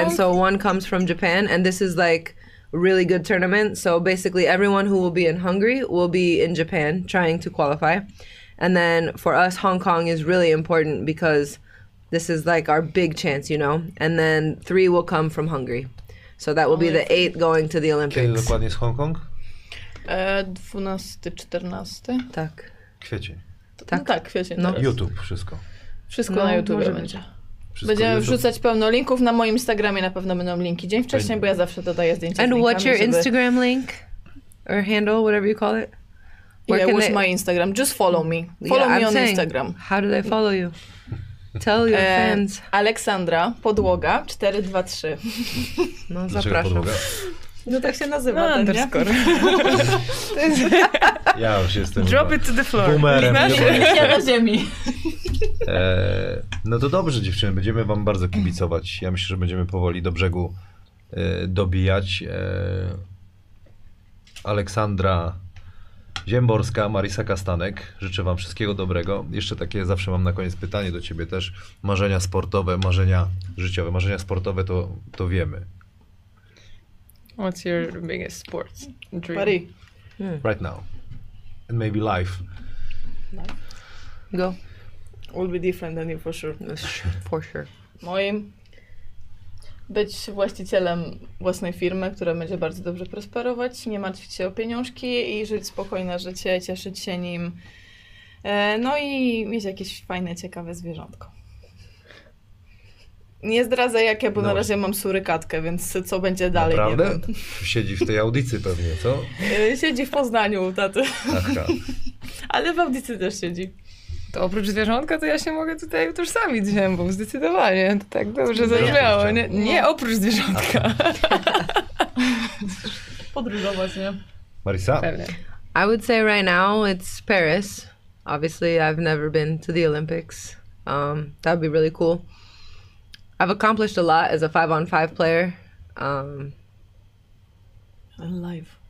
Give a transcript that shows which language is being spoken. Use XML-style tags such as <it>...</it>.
<en>And so one comes from Japan, and this is like really good tournament. So basically everyone who will be in Hungary will be in Japan trying to qualify. And then for us, Hong Kong is really important because this is like our big chance, you know. And then 3 will come from Hungary. So that will be the 8 going to the Olympics.</en> <pl>Kiedy dokładnie jest Hong Kong? 12-14. Tak. Kwiecień. Tak, no tak, kwiecień. No. YouTube wszystko. Wszystko no, na YouTube będzie. Wszystko będziemy YouTube. Wrzucać pełno linków. Na moim Instagramie na pewno będą linki dzień wcześniej, bo ja zawsze dodaję zdjęcia.</pl> <en>And</en> <pl>z linkami,</pl> <en>what's your Instagram link? Or handle, whatever you call it? Where yeah, where's my Instagram? Just follow me. Follow yeah, me I'm on saying, Instagram. How do they follow you? Tell your fans.</en> <pl>Aleksandra Podłoga 423. No zapraszam. No tak się nazywa, no, ten, nie? Ja już jestem...</pl> <en>Drop it to the floor.</en> <pl>Boomerem. Ja na ziemi. No to dobrze, dziewczyny. Będziemy wam bardzo kibicować. Ja myślę, że będziemy powoli do brzegu dobijać. Aleksandra Ziemborska, Marisa Kastanek. Życzę wam wszystkiego dobrego. Jeszcze takie zawsze mam na koniec pytanie do ciebie też. Marzenia sportowe, marzenia życiowe. Marzenia sportowe to wiemy.</pl> <en>What's your biggest sports dream? Buddy. Yeah. Right now. And maybe life. Go. Will be different than you for sure. For sure.</en> <pl>Moim? Być właścicielem własnej firmy, która będzie bardzo dobrze prosperować, nie martwić się o pieniążki i żyć spokojne życie, cieszyć się nim. No i mieć jakieś fajne, ciekawe zwierzątko. Nie zdradzę jakie, bo no na razie mam surykatkę, więc co będzie dalej? Naprawdę? Siedzi w tej audycji pewnie, co? Siedzi w Poznaniu u taty. Ale w audycji też siedzi. To oprócz zwierzątka, to ja się mogę tutaj utożsamić z ziębą, zdecydowanie. To tak dobrze zabrzmiało. Nie, nie oprócz zwierzątka. Podróżować, nie? Marisa? Pewnie.</pl> <en>I would say right now it's Paris. Obviously I've never been to the Olympics. That would be really cool. I've accomplished a lot as a 5-on-5 player. In life.</en>